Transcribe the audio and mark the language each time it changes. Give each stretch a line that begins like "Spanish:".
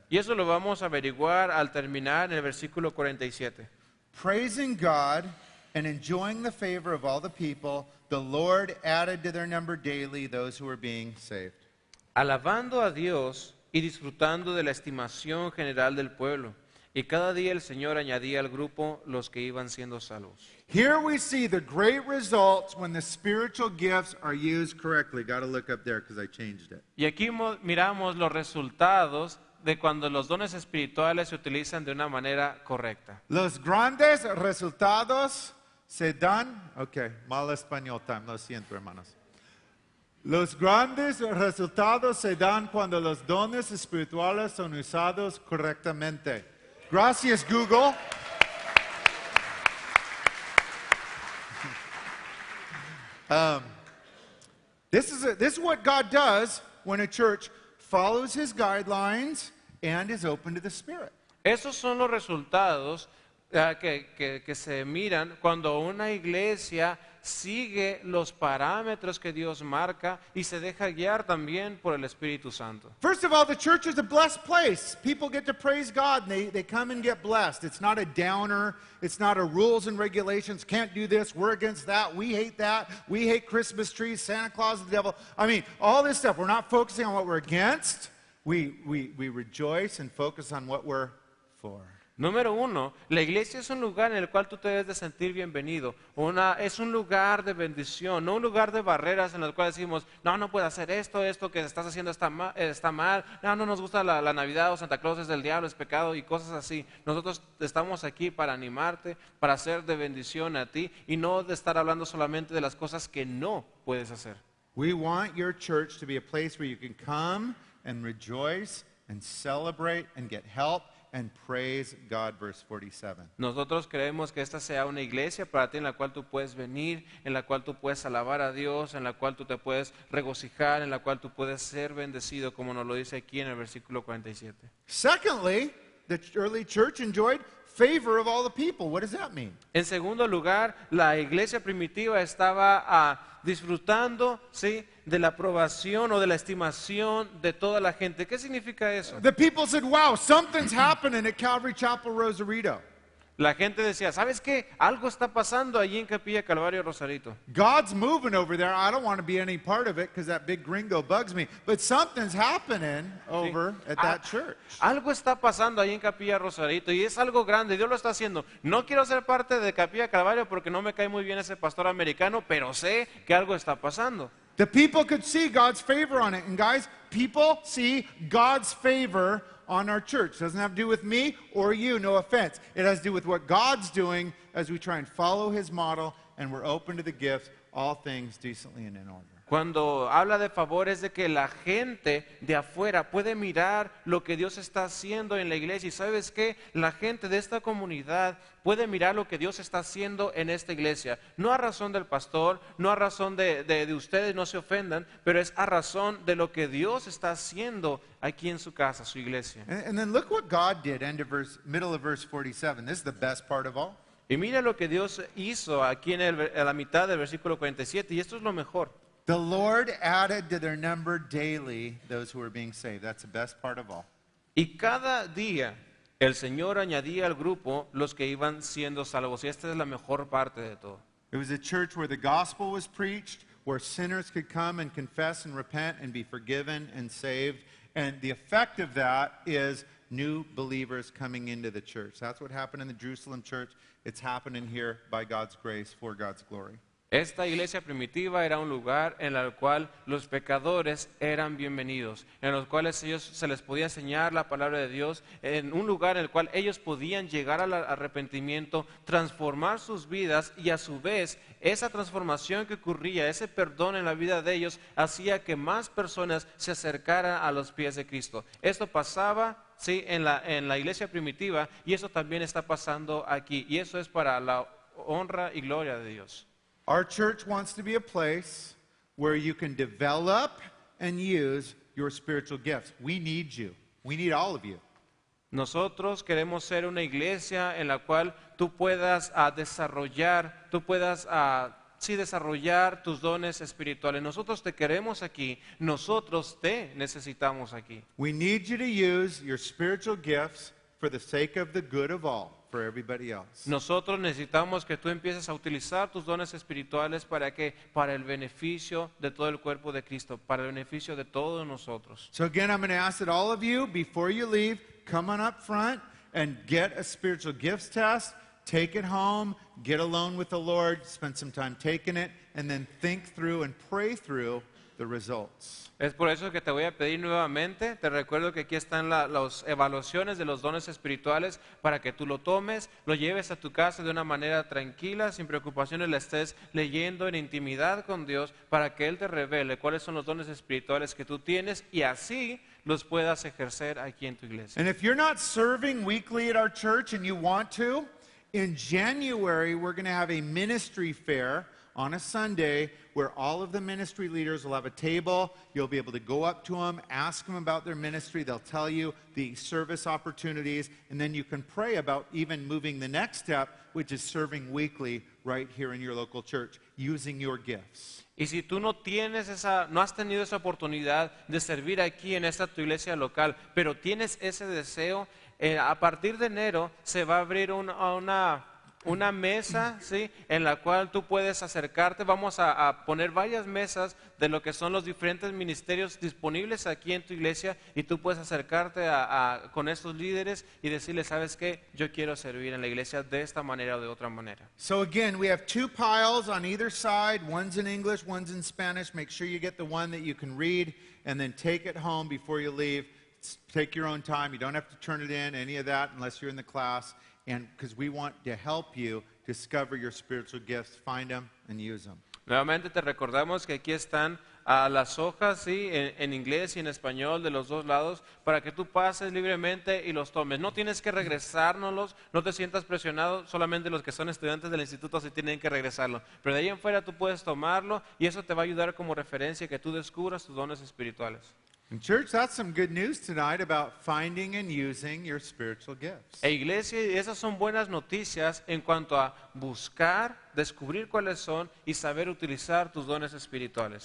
Spanish: Y eso lo vamos a averiguar al terminar en el versículo 47.
English: Praising God and enjoying the favor of all the people, the Lord added to their number daily those who were being saved.
Spanish: Alabando a Dios y disfrutando de la estimación general del pueblo, y cada día el Señor añadía al grupo los que iban siendo salvos.
English: Here we see the great results when the spiritual gifts are used correctly. Got to look up there because I changed it.
Spanish: Y aquí miramos los resultados de cuando los dones espirituales se utilizan de una manera correcta. Los grandes resultados se dan.
English: Okay, mal español time.
Spanish: Lo siento, hermanos. Los grandes resultados se dan cuando los dones espirituales son usados correctamente. Gracias, Google.
English: This is what God does when a church follows his guidelines and is open to the Spirit.
Spanish: Esos son los resultados que se miran cuando una iglesia sigue los parámetros que Dios marca y se deja guiar también por el Espíritu Santo.
English: First of all, the church is a blessed place. People get to praise God and they come and get blessed. It's not a downer. It's not a rules and regulations. Can't do this. We're against that. We hate that. We hate Christmas trees, Santa Claus, the devil. I mean, all this stuff. We're not focusing on what we're against. We rejoice and focus on what we're for.
Spanish: Número uno, la iglesia es un lugar en el cual tú te debes de sentir bienvenido. Es un lugar de bendición, no un lugar de barreras en el cual decimos, no puedo hacer esto que estás haciendo está mal, no nos gusta la Navidad o Santa Claus es del diablo, es pecado y cosas así. Nosotros estamos aquí para animarte, para ser de bendición a ti y no de estar hablando solamente de las cosas que no puedes hacer.
English: We want your church to be a place where you can come and rejoice and celebrate and get help and praise God, verse 47.
Spanish: Nosotros queremos que esta sea una iglesia para ti en la cual tú puedes venir, en la cual tú puedes alabar a Dios, en la cual tú te puedes regocijar, en la cual tú puedes ser bendecido, como nos lo dice aquí en el versículo 47.
English: Secondly, the early church enjoyed favor of all the people. What does that mean?
Spanish: En segundo lugar, la iglesia primitiva estaba disfrutando, ¿sí?, de la aprobación o de la estimación de toda la gente. ¿Qué significa eso?
English: The people said, "Wow, something's happening at Calvary Chapel Rosarito."
Spanish: La gente decía, "¿Sabes qué? Algo está pasando allí en Capilla Calvario Rosarito."
English: God's moving over there. I don't want to be any part of it because that big gringo bugs me, but something's happening over at that church.
Spanish: Algo está pasando allí en Capilla Rosarito y es algo grande. Dios lo está haciendo. No quiero ser parte de Capilla Calvario porque no me cae muy bien ese pastor americano, pero sé que algo está pasando.
English: The people could see God's favor on it. And guys, people see God's favor on our church. It doesn't have to do with me or you, no offense. It has to do with what God's doing as we try and follow his model and we're open to the gifts, all things decently and in order.
Spanish: Cuando habla de favor es de que la gente de afuera puede mirar lo que Dios está haciendo en la iglesia. Y ¿sabes qué? La gente de esta comunidad puede mirar lo que Dios está haciendo en esta iglesia. No a razón del pastor, no a razón de ustedes, no se ofendan, pero es a razón de lo que Dios está haciendo aquí en su casa, su iglesia.
English: And then look what God did, end of verse, middle of verse 47. This is the best part of all.
Spanish: Y mira lo que Dios hizo aquí en la mitad del versículo 47. Y esto es lo mejor.
English: The Lord added to their number daily those who were being saved. That's the best part of all.
Spanish: Y cada día el Señor añadía al grupo los que iban siendo salvos. Y esta es la mejor parte de todo.
English: It was a church where the gospel was preached, where sinners could come and confess and repent and be forgiven and saved. And the effect of that is new believers coming into the church. That's what happened in the Jerusalem church. It's happening here by God's grace for God's glory.
Spanish: Esta iglesia primitiva era un lugar en el cual los pecadores eran bienvenidos, en los cuales ellos se les podía enseñar la palabra de Dios, en un lugar en el cual ellos podían llegar al arrepentimiento, transformar sus vidas y a su vez esa transformación que ocurría, ese perdón en la vida de ellos, hacía que más personas se acercaran a los pies de Cristo. Esto pasaba, ¿sí?, en la iglesia primitiva y eso también está pasando aquí y eso es para la honra y gloria de Dios.
English: Our church wants to be a place where you can develop and use your spiritual gifts. We need you. We need all of you.
Spanish: Nosotros queremos ser una iglesia en la cual tú puedas desarrollar, desarrollar tus dones espirituales. Nosotros te queremos aquí. Nosotros te necesitamos aquí.
English: We need you to use your spiritual gifts for the sake of the good of all. For everybody else.
Spanish: Nosotros necesitamos que tú empieces a utilizar tus dones espirituales para que para el beneficio de todo el cuerpo de Cristo, para el beneficio de todos nosotros.
English: So again, I'm going to ask that all of you, before you leave, come on up front and get a spiritual gifts test, take it home, get alone with the Lord, spend some time taking it, and then think through and pray through the results.
Spanish: Es por eso que te voy a pedir nuevamente, te recuerdo que aquí están las evaluaciones de los dones espirituales para que tú lo tomes, lo lleves a tu casa de una manera tranquila, sin preocupaciones, la estés leyendo en intimidad con Dios para que Él te revele cuáles son los dones espirituales que tú tienes y así los puedas ejercer aquí en tu iglesia.
English: And if you're not serving weekly at our church and you want to, in January we're going to have a ministry fair on a Sunday where all of the ministry leaders will have a table. You'll be able to go up to them, ask them about their ministry. They'll tell you the service opportunities, and then you can pray about even moving the next step, which is serving weekly right here in your local church using your gifts.
Spanish: Y si tú no tienes esa, no has tenido esa oportunidad de servir aquí en esta tu iglesia local, pero tienes ese deseo, a partir de enero se va a abrir una mesa, ¿sí?, en la cual tú puedes acercarte. Vamos a poner varias mesas de lo que son los diferentes ministerios disponibles aquí en tu iglesia y tú puedes acercarte con estos líderes y decirles, ¿sabes qué? Yo quiero servir en la iglesia de esta manera o de otra manera.
English: So again, we have two piles on either side. One's in English, one's in Spanish. Make sure you get the one that you can read and then take it home before you leave. Take your own time. You don't have to turn it in, any of that, unless you're in the class. And because we want to help you discover your spiritual gifts, find them and use them.
Spanish: Nuevamente te recordamos que aquí están a las hojas, sí, en inglés y en español de los dos lados, para que tú pases libremente y los tomes. No tienes que regresárnoslos, no te sientas presionado, solamente los que son estudiantes del instituto sí tienen que regresarlo. Pero de ahí en fuera tú puedes tomarlo y eso te va a ayudar como referencia que tú descubras tus dones espirituales.
English: In church, that's some good news tonight about finding and using your spiritual gifts.
Spanish: E iglesia, esas son buenas noticias en cuanto a buscar, descubrir cuáles son y saber utilizar tus dones espirituales.